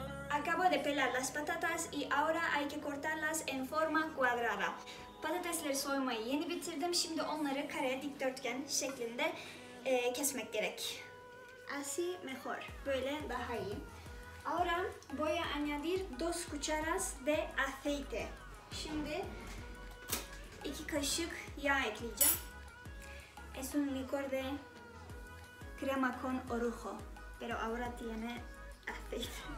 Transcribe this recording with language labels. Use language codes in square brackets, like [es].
[es] Acabo de pelar las patatas y ahora hay que cortarlas en forma cuadrada. [tr] Patatesleri soymayı yeni bitirdim. Şimdi onları kare, dikdörtgen şeklinde kesmek gerek. [es] Así mejor. [tr] Böyle daha iyi. [es] Ahora voy a añadir 2 cucharas de aceite. [tr] Şimdi 2 kaşık yağ ekleyeceğim. [es] Es un licor de crema con orujo, pero ahora tiene aceite.